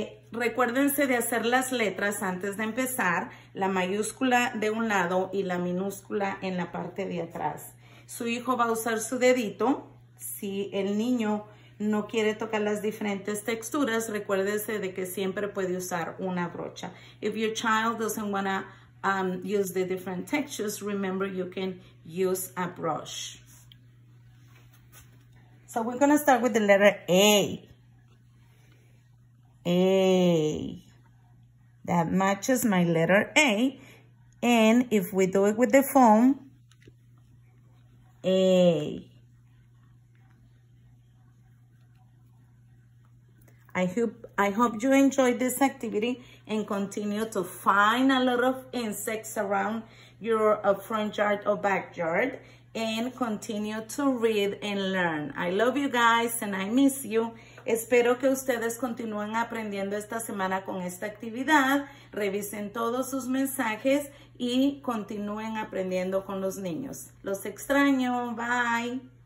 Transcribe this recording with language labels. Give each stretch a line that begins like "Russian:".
Spanish: Recuérdense de hacer las letras antes de empezar, la mayúscula de un lado y la minúscula en la parte de atrás. Su hijo va a usar su dedito. Si el niño no quiere tocar las diferentes texturas, recuérdense de que siempre puede usar una brocha.
English: If your child doesn't want to use the different textures, remember you can use a brush. So we're going to start with the letter A. A, that matches my letter A, and if we do it with the foam, A. I hope you enjoyed this activity and continue to find a lot of insects around your front yard or backyard and continue to read and learn. I love you guys and I miss you.
Spanish: Espero que ustedes continúen aprendiendo esta semana con esta actividad. Revisen todos sus mensajes y continúen aprendiendo con los niños. Los extraño. Bye.